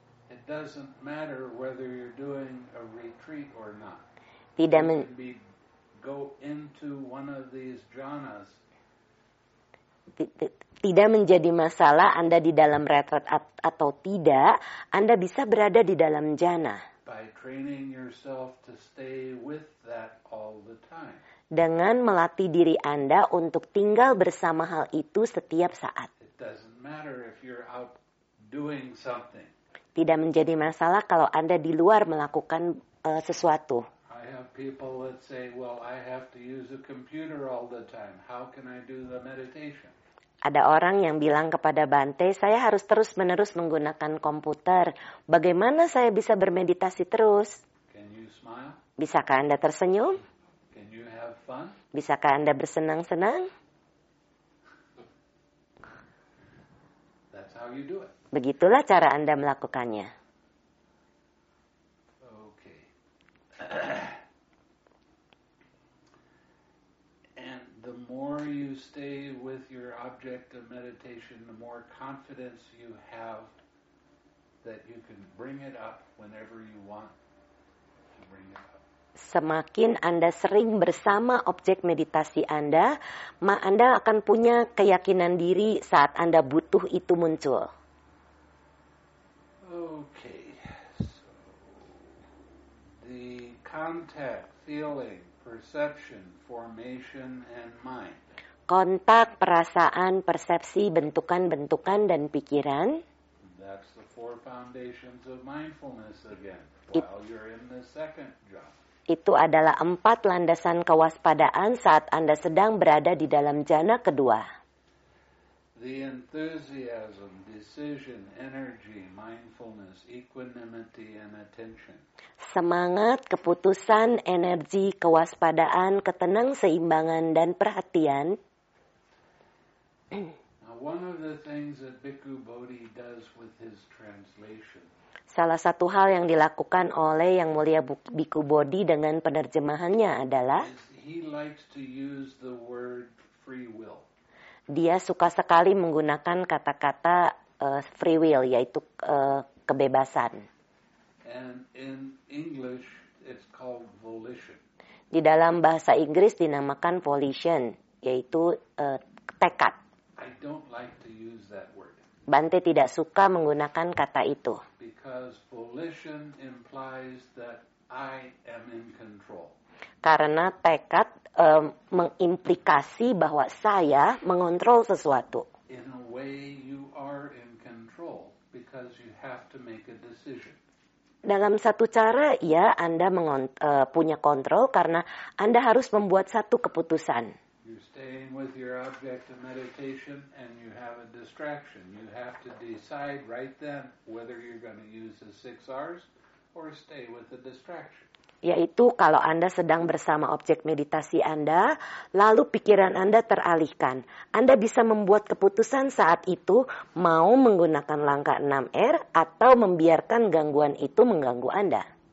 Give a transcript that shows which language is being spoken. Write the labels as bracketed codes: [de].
[en] It doesn't matter whether you're doing a retreat or not. [id] Tidak [en] go into one of these jhanas. [id] Tidak menjadi masalah Anda di dalam retreat atau tidak, Anda bisa berada di dalam jhana. [en] By training yourself to stay with that all the time. [id] Dengan melatih diri Anda untuk tinggal bersama hal itu setiap saat. [en] It doesn't matter if you're out doing something. [id] Tidak menjadi masalah kalau Anda di luar melakukan sesuatu. [en] I have people that say, well, I have to use a computer all the time. How can I do the meditation? [id] Ada orang yang bilang kepada Bante, saya harus terus-menerus menggunakan komputer. Bagaimana saya bisa bermeditasi terus? [en] Can you smile? [id] Bisakah Anda tersenyum? [en] Can you have fun? [id] Bisakah Anda bersenang-senang? [en] That's how you do it. [id] Begitulah cara Anda melakukannya. [en] Okay. And the more you stay with your object of meditation, the more confidence you have that you can bring it up whenever you want to bring it up. [id] Semakin Anda sering bersama objek meditasi Anda, maka Anda akan punya keyakinan diri saat Anda butuh itu muncul. [en] Okay, so the contact, feeling, perception, formation, and mind. [id] Kontak, perasaan, persepsi, bentukan-bentukan, dan pikiran. [en] That's the four foundations of mindfulness again, while you're in the second jhana. [id] Itu adalah empat landasan kewaspadaan saat Anda sedang berada di dalam jhana kedua. [en] the enthusiasm, decision, energy, mindfulness, equanimity, and attention. [id] Semangat, keputusan, energi, kewaspadaan, ketenang, seimbangan, dan perhatian. [en] Now, one of the things that Bhikkhu Bodhi does with his translation. [id] Salah satu hal yang dilakukan oleh Yang Mulia Bhikkhu Bodhi dengan penerjemahannya adalah [en] he likes to use the word free will. [id] Dia suka sekali menggunakan kata-kata free will, yaitu kebebasan. [en] And in English, it's called volition. [id] Di dalam bahasa Inggris dinamakan volition, yaitu tekad. [en] I don't like to use that word. [id] Bante tidak suka menggunakan kata itu. [en] Because volition implies that I am in control. [id] Karena tekad mengimplikasi bahwa saya mengontrol sesuatu. [en] In a way you are in control because you have to make a decision. [id] Dalam satu cara, ya, Anda punya kontrol karena Anda harus membuat satu keputusan. [en] You're staying with your object of meditation and you have a distraction. You have to decide right then whether you're going to use the six R's or stay with the distraction. [id] Yaitu kalau Anda sedang bersama objek meditasi Anda, lalu pikiran Anda teralihkan. Anda bisa membuat keputusan saat itu mau menggunakan langkah 6R atau membiarkan gangguan itu mengganggu Anda.